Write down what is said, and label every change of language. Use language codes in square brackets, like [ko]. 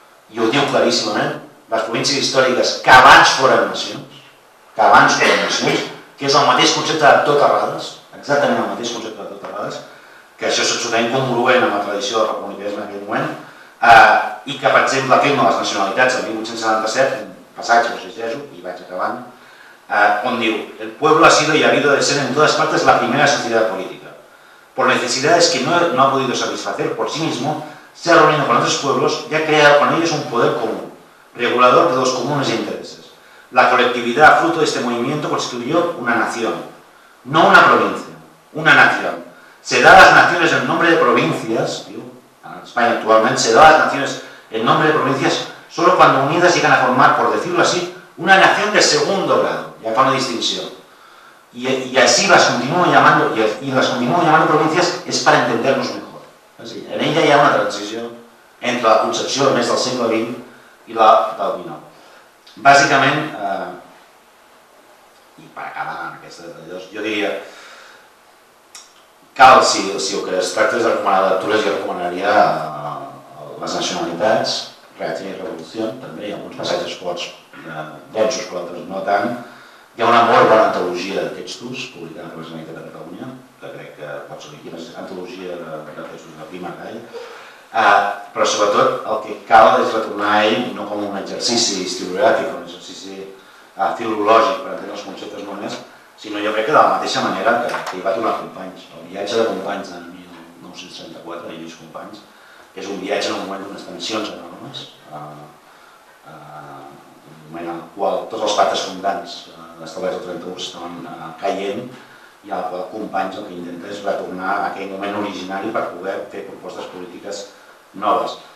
[ca] i ho diu claríssimament, les províncies històriques que abans foren nacions, que abans foren nacions, que és el mateix concepte de tot Terrades, exactament el mateix concepte de tot Terrades, que això és absolutament congruent amb la tradició del republicanisme en aquell moment, i que, per exemple, afirma les nacionalitats del 1877, un passatge, us llegeixo, i vaig acabant, on diu, [es] el pueblo ha sido y ha habido de ser en todas partes la primera sociedad política. Por necesidades que no ha podido satisfacer por sí mismo, se ha reunido con otros pueblos y ha creado con ellos un poder común, regulador de los comunes intereses. La colectividad, fruto de este movimiento, constituyó una nación, no una provincia, una nación. Se da a las naciones el nombre de provincias, en España actualmente, se da a las naciones el nombre de provincias solo cuando unidas llegan a formar, por decirlo así, una nación de segundo grado, ya con una distinción. Y así las continúo llamando, provincias, es para entendernos mejor. Así, en ella hay una transición entre la concepción más del siglo XX y la del XIX. Básicamente, y para acabar con esta detalles, yo diría, cal, si lo que se trata es de recomanar lecturas, yo recomanaría las nacionalidades, reacción y revolución, también hay algunos pasajes forts, densos, pero otros no tan. [ca] Hi ha una molt bona antologia de textos publicada per la Generalitat de Catalunya, que crec que pot ser una antologia de textos de Pi Margall, però sobretot el que cal és retornar a ell, no com un exercici historiogràfic, un exercici filològic per entendre els conceptes només, sinó jo crec que de la mateixa manera que hi va tornar Companys, el viatge de Companys del 1964, Lluís Companys, que és un viatge en un moment d'unes tensions enormes, un moment en el qual tots els pactes fundants d'establir el 31 estaven caient, i el Companys el que intenta és retornar a aquell moment originari per poder fer propostes polítiques noves.